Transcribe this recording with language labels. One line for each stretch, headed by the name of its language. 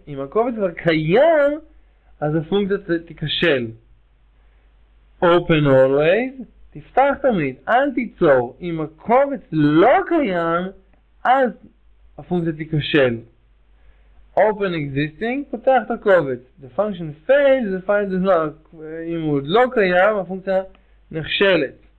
Hebrew: אם הקובץ כבר קיים, אז הפונקציה תיכשל. open always, תפתח תמיד, אל תיצור. אם הקובץ לא קיים, אז הפונקציה תיכשל. open existing, פותח את הקובץ.
English: the function fails, the file does not.
Hebrew: אם הוא לא קיים, הפונקציה נכשלת.